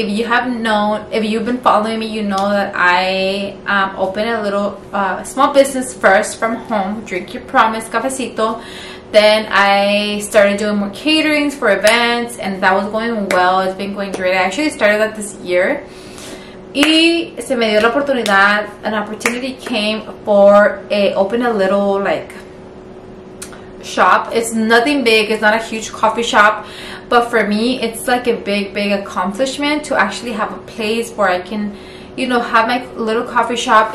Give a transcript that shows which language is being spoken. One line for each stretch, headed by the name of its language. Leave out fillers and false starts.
English: If you have known, if you've been following me, you know that I opened a little small business first from home, Drink Your Promise Cafecito. Then I started doing more caterings for events, and that was going well. It's been going great. I actually started that this year.
Spanish: Y se me dio la oportunidad.
English: An opportunity came for a open a little like shop. It's nothing big. It's not a huge coffee shop. But for me, it's like a big, big accomplishment to actually have a place where I can, you know, have my little coffee shop.